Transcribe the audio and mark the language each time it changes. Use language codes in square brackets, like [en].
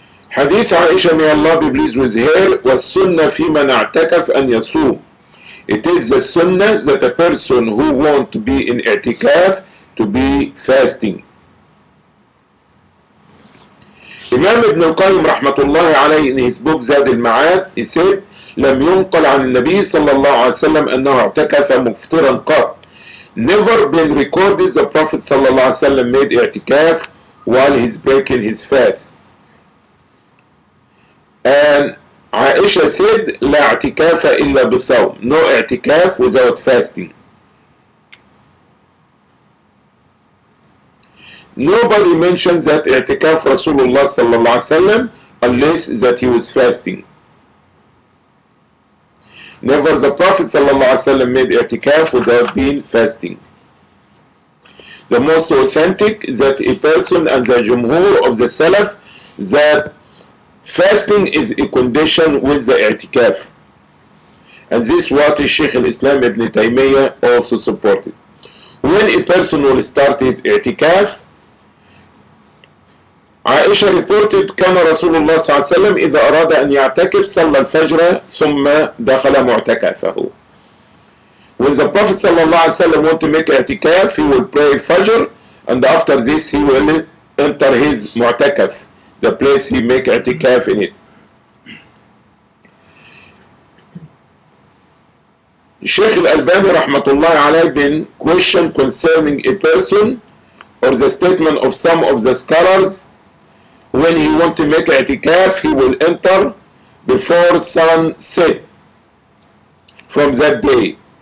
[ar] حديث عائشة [en] may Allah be pleased with her [ar] والسنة في من اعتكف أن يصوم. [en] It is the sunnah that a person who want to be in اعتكاف to be fasting. [ar] إمام ابن القيم رحمة الله عليه [en] in his book [ar] زاد المعاد [en] he said [ar] لم ينقل عن النبي صلى الله عليه وسلم أنه اعتكف مفطرا قط. [en] Never been recorded the Prophet [ar] صلى الله عليه وسلم [en] made اعتكاف while he's breaking his fast. And Aisha said, [ar] لا اعتكاف إلا بصوم. [en] No اعتكاف without fasting. Nobody mentions that [ar] اعتكاف رسول الله صلى الله عليه وسلم [en] unless that he was fasting. Never the Prophet [ar] صلى الله عليه وسلم [en] made اعتكاف without being fasting. The most authentic that a person and the jumhur of the Salaf that fasting is a condition with the i'tikaf. And this is what Sheikh al-Islam ibn Taymiyyah also supported. When a person will start his i'tikaf, Aisha reported, [ar] كان رسول الله صلى الله عليه وسلم إذا أراد أن يعتكف صلى الفجر ثم دخل معتكفه. [en] When the Prophet [ar] صلى الله عليه وسلم [en] want to make i'tikaf, he will pray Fajr, and after this he will enter his معتكف. The place he make i'tikaf in it. Sheikh al-Albani rahmatullah alayhi bin question concerning a person or the statement of some of the scholars when he want to make i'tikaf he will enter before sunset from that day.